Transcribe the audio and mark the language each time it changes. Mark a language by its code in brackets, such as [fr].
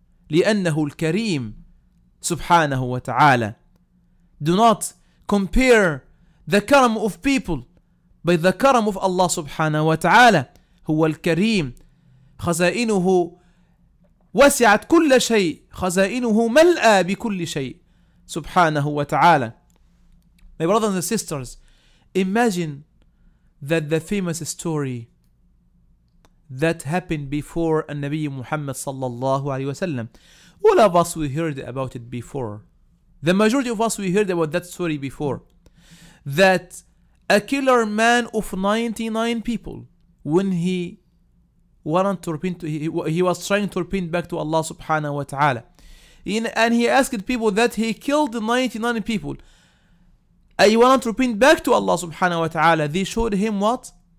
[ar] لأنه الكريم سبحانه وتعالى. [en] Do not compare the karam of people by the karam of Allah subhanahu wa ta'ala. [ar] هو الكريم, خزائنه وسعت كل شيء, خزائنه ملأ بكل شيء سبحانه وتعالى. [en] My brothers and sisters, imagine that the famous story that happened before Nabi Muhammad sallallahu alayhi wa sallam, all of us, we heard about it before. The majority of us, we heard about that story before, that a killer man of 99 people, when he wanted to repent, he was trying to repent back to Allah subhanahu wa ta'ala, and he asked people that he killed 99 people, I want to repent back to Allah subhanahu wa ta'ala, they showed him what?